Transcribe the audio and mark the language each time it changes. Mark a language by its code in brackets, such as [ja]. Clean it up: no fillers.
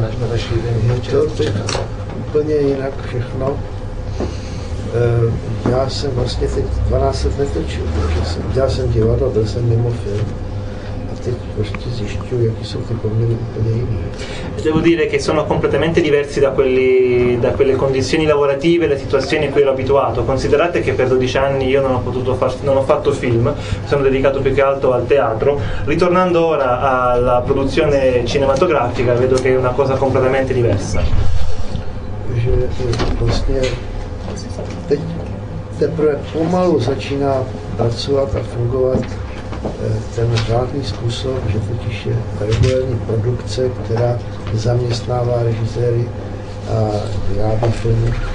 [cs] To by úplně jinak všechno. Já jsem vlastně teď 12 let netočil, protože jsem dělal jsem divadlo, byl jsem mimo film. A teď prostě zjišťuju, jaké jsou ty poměry úplně jiné. [it] Devo dire che sono completamente diversi da quelle condizioni lavorative, le situazioni in cui ero abituato. Considerate che per 12 anni io non ho fatto film, mi sono dedicato più che altro al teatro. Ritornando ora alla produzione cinematografica, vedo che è una cosa completamente diversa. [cs] Že vlastně teď teprve pomalu začíná pracovat a fungovat ten řádný způsob, že totiž je regulární produkce, která zaměstnává režiséry a vyrábí filmy.